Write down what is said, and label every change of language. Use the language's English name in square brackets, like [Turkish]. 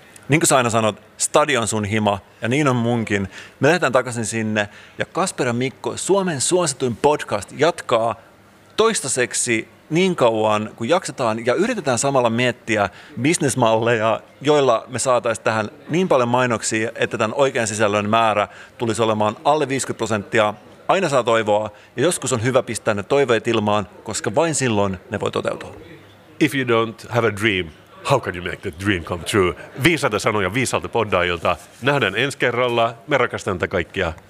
[Finnish] Niin kuin sä aina sanot, stadion sun hima, ja niin on munkin. Me lähdetään takaisin sinne, ja Kasper ja Mikko, Suomen suosituin podcast, jatkaa toistaiseksi niin kauan, kun jaksetaan, ja yritetään samalla miettiä bisnesmalleja, joilla me saataisiin tähän niin paljon mainoksia, että tämän oikean sisällön määrä tulisi olemaan alle 50%. Aina saa toivoa, ja joskus on hyvä pistää ne toiveet ilmaan, koska vain silloin ne voi toteutua. [English] If you don't have a dream, how can you make that dream come true? [Finnish] Viisaita sanoja viisalta poddaajilta. Nähdään ensi kerralla. Me rakastan tätä kaikkia.